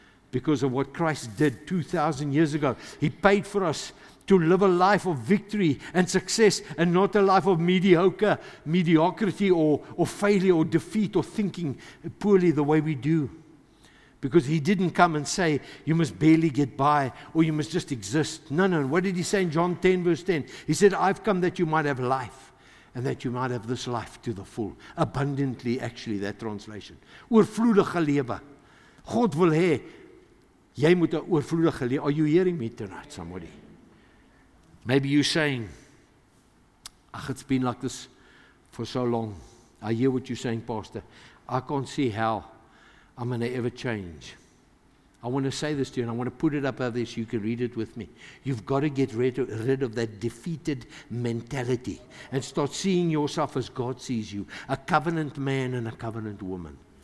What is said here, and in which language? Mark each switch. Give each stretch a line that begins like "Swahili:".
English: Because of what Christ did 2,000 years ago, He paid for us to live a life of victory and success and not a life of mediocrity or failure or defeat or thinking poorly the way we do. Because He didn't come and say, you must barely get by or you must just exist. No, no. What did He say in John 10 verse 10? He said, I've come that you might have life and that you might have this life to the full. Abundantly, actually, that translation.
Afrikaans: Oorvloedige lewe. God wil hê, jy moet 'n oorvloedige lewe.
English: Are you hearing me tonight, somebody? Maybe you're saying, ach, it's been like this for so long. I hear what you're saying, Pastor. I can't see how I'm going to ever change. I want to say this to you, and I want to put it up out there so you can read it with me. You've got to get rid of that defeated mentality and start seeing yourself as God sees you, a covenant man and a covenant woman.